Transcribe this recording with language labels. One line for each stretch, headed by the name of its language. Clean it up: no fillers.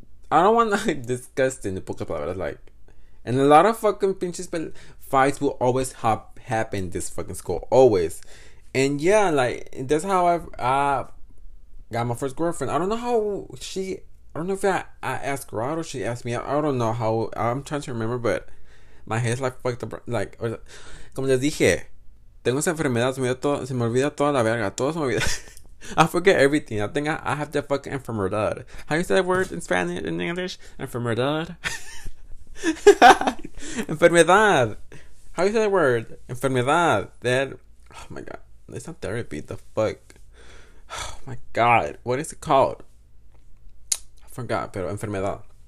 English: I don't want to, like, disgusting the book of palabras, like, and a lot of fucking pinches, but fights will always happen this fucking school, always. And yeah, like, that's how I got my first girlfriend. I don't know how she. I don't know if I asked her out or she asked me out. I don't know how. I'm trying to remember, but my head's like fucked up.
Spanish: Like, or, como les dije, tengo esa enfermedad, se me olvida toda la verga, todo se me olvida.
English: I forget everything. I think I have the fucking enfermedad. How do you say that word in Spanish, in English? Enfermedad. Enfermedad. How do you say that word? Enfermedad. That. Oh my god. It's not therapy. The fuck. Oh my god. What is it called? I forgot,
Spanish: pero enfermedad.